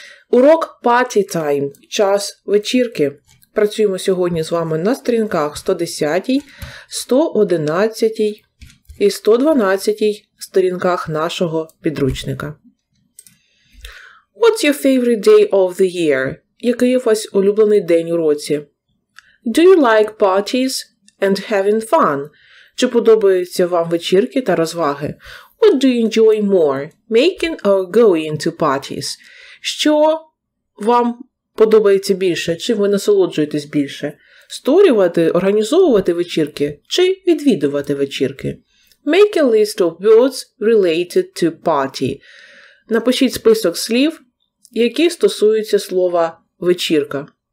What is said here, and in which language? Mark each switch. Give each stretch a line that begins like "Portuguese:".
Ukrainian: Урок Party Time, час вечірки. Працюємо сьогодні з вами на сторінках 110, 111 і 112 сторінках нашого підручника.
English: What's your favorite day of the year?
Ukrainian: Який у вас улюблений день у році?
English: Do you like parties and having fun?
Ukrainian: Чи подобаються вам вечірки та розваги?
English: What do you enjoy more, making or going to parties?
Ukrainian: Що вам подобається більше, чим ви насолоджуєтесь більше? Створювати, організовувати вечірки чи відвідувати вечірки?
English: Make a list of words related to party.
Ukrainian: Напишіть список слів, які стосуються слова вечірка.